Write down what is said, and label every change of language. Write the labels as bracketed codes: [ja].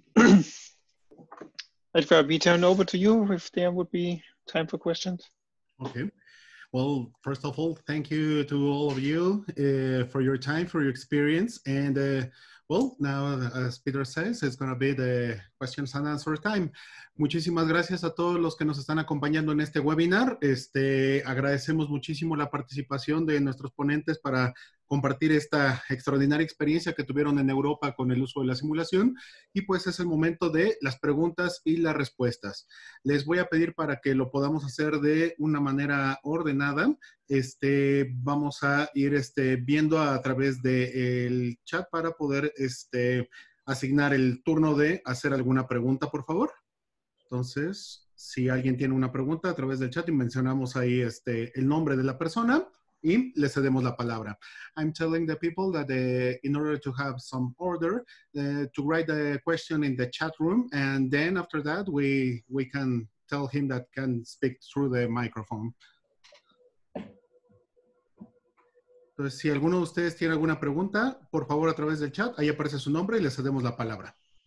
[en] I'd probably turn over to you if there would be time for questions. Okay. Well, first of all, thank you to all of you for your time, for your experience. And well, now, as Peter says, it's going to be the questions and answer time. [es] Muchísimas gracias a todos los que nos están acompañando en este webinar. Agradecemos muchísimo la participación de nuestros ponentes para compartir esta extraordinaria experiencia que tuvieron en Europa con el uso de la simulación. Y pues es el momento de las preguntas y las respuestas. Les voy a pedir para que lo podamos hacer de una manera ordenada. Vamos a ir viendo a través del chat para poder asignar el turno de hacer alguna pregunta, por favor. Entonces, si alguien tiene una pregunta a través del chat, y mencionamos ahí el nombre de la persona y le cedemos la palabra. [en] I'm telling the people that in order to have some order, to write the question in the chat room, and then after that, we can tell him that can speak through the microphone. [es] Entonces, si alguno de ustedes tiene alguna pregunta, por favor, a través del chat, ahí aparece su nombre y le cedemos la palabra.